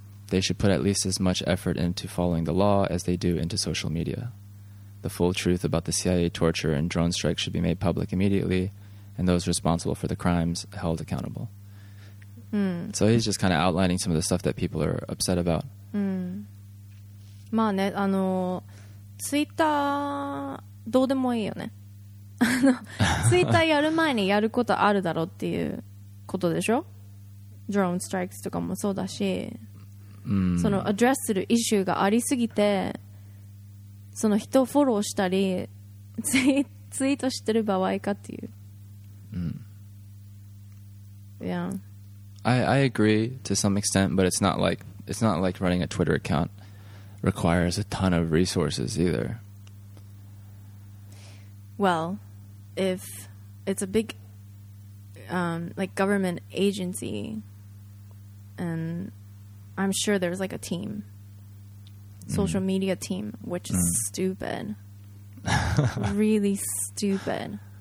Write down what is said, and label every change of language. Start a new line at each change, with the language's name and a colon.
English: They should put at least as much effort into following the law as they do into social media. The full truth about the CIA torture and drone strikes should be made public immediately, and those responsible for the crimes held accountable." Mm. So he's just kind of outlining some of the stuff that people are upset about. Mm.
Japanese: まあね、あの、ツイッターどうでもいいよね。あの、ツイッターやる前にやることあるだろうっていうことでしょ。ドローンストライクとかもそうだし、うん、そのアドレスするイシューがありすぎて、その人をフォローしたりツイートしてる場合かっていう。う
English: ん。Yeah. I agree to some extent, but it's not like running a Twitter account requires a ton of resources either. Well, if it's a big, like government agency, and I'm sure there's like a team, social media team, which is stupid, really stupid.